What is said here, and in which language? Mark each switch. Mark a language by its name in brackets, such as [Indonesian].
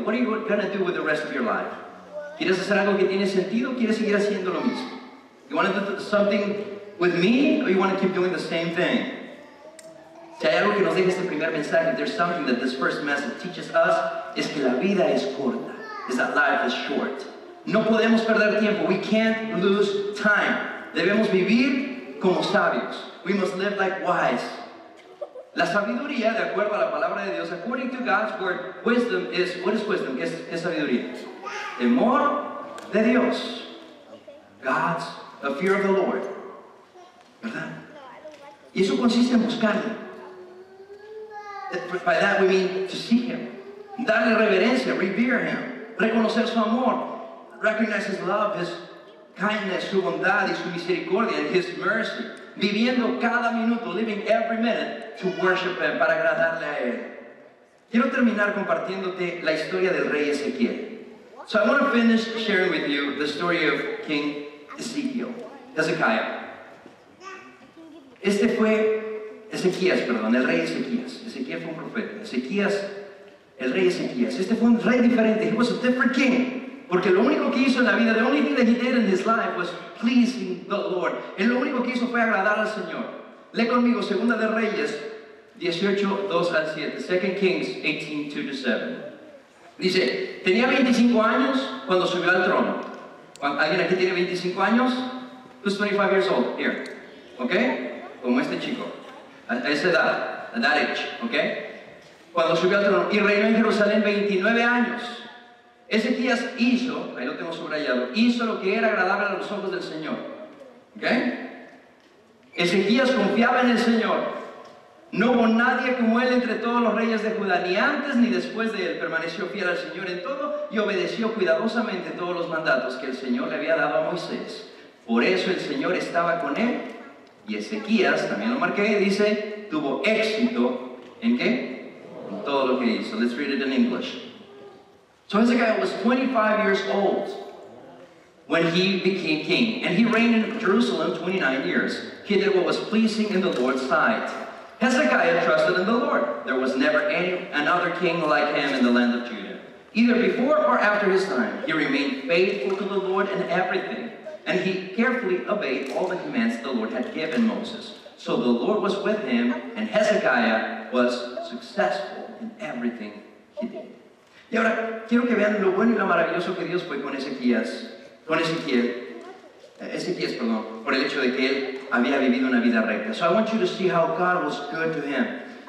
[English] What are you going to do with the rest of your life? [Spanish] ¿Quieres hacer algo que tiene sentido o quieres seguir haciendo lo mismo? [English] You want to do something with me or you want to keep doing the same thing? [Spanish] Si hay algo que nos deja este primer mensaje, [English] if there's something that this first message teaches us, [Spanish] es que la vida es corta. [English] Is that life is short. [Spanish] No podemos perder tiempo. [English] We can't lose time. [Spanish] Debemos vivir como sabios. [English] We must live like wise. [Spanish] La sabiduría, de acuerdo a la palabra de Dios, [English] according to God's word, wisdom is, what is wisdom? [Spanish] ¿Qué es sabiduría? Temor de Dios. [English] God's, the fear of the Lord. [Spanish] ¿Verdad? Y eso consiste en buscarle. [English] By that we mean to seek Him. [Spanish] Darle reverencia, [English] revere Him. [Spanish] Reconocer su amor. [English] Recognize His love, His [Spanish] kindness, su bondad y su misericordia, [English] and his mercy, [Spanish] viviendo cada minuto, [English] living every minute, to worship him, [Spanish] para agradarle a él. Quiero terminar compartiéndote la historia del rey Ezequiel. [English] So I want to finish sharing with you the story of King Ezekiel, Hezekiah. [Spanish] Este fue Ezequías, perdón, el rey Ezequías. Ezequiel fue un profeta. Ezequías, el rey Ezequías. Este fue un rey diferente. [English] He was a different king. [Spanish] Porque lo único que hizo en la vida, [English] the only thing that he did in his life was pleasing the Lord. [Spanish] Él lo único que hizo fue agradar al Señor. Lee conmigo, Segunda de Reyes 18, 2 al 7. [English] 2 Kings 18, 2 to 7. [Spanish] Dice, tenía 25 años cuando subió al trono. ¿Alguien aquí tiene 25 años? [English] Who's 25 years old? Here. [Spanish] ¿Ok? Como este chico. A esa edad. [English] At that age. [Spanish] ¿Ok? Cuando subió al trono. Y reinó en Jerusalén 29 años. Ezequías hizo, ahí lo tengo subrayado, hizo lo que era agradable a los ojos del Señor. ¿Ok? Ezequías confiaba en el Señor. No hubo nadie como él entre todos los reyes de Judá, ni antes ni después de él. Permaneció fiel al Señor en todo y obedeció cuidadosamente todos los mandatos que el Señor le había dado a Moisés. Por eso el Señor estaba con él. Y Ezequías, también lo marqué, dice, tuvo éxito. ¿En qué? En todo lo que hizo. [English] Let's read it in English. So Hezekiah was 25 years old when he became king. And he reigned in Jerusalem 29 years. He did what was pleasing in the Lord's sight. Hezekiah trusted in the Lord. There was never another king like him in the land of Judah. Either before or after his time, he remained faithful to the Lord in everything, and he carefully obeyed all the commands the Lord had given Moses. So the Lord was with him, and Hezekiah was successful in everything he did. [Spanish] Y ahora, quiero que vean lo bueno y lo maravilloso que Dios fue con Ezequías. Con Ezequiel. Ezequías, perdón, por el hecho de que él había vivido una vida recta. [English] So I want you to see how God was good to him.